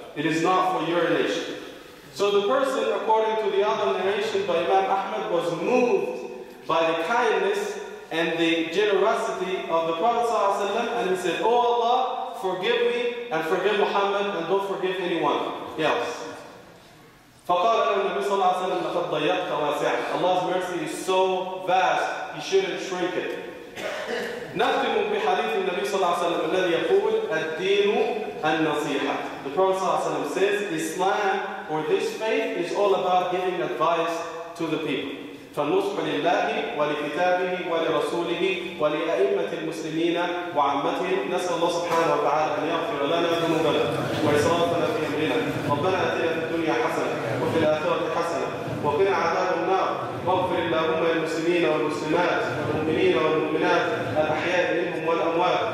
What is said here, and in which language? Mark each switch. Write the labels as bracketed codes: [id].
[en] It is not for urination." So the person, according to the other narration by Imam Ahmad, was moved by the kindness and the generosity of the Prophet ﷺ, and he said, "Oh Allah, forgive me and forgive Muhammad and don't forgive anyone else." [ar] فقال النبي صلى الله عليه وسلم لقد ضيقت واسعا. [en] Allah's mercy is so vast, he shouldn't shrink it. [ar] نختم بحديث النبي صلى الله عليه وسلم الذي يقول الدين النصيحة. [en] The Prophet [ar] صلى الله عليه وسلم [en] says Islam or this faith is all about giving advice to the people. [ar] فالنصح لله ولكتابه ولرسوله ولأئمة المسلمين وعامتهم. نسأل الله سبحانه وتعالى أن يغفر لنا ذنوبنا وإسرافنا في أمرنا. ربنا آتنا في الدنيا حسنة وفي الآخرة حسنة وقنا عذاب النار. واغفر اللهم للمسلمين والمسلمات والمؤمنين والمؤمنات الأحياء منهم والأموات.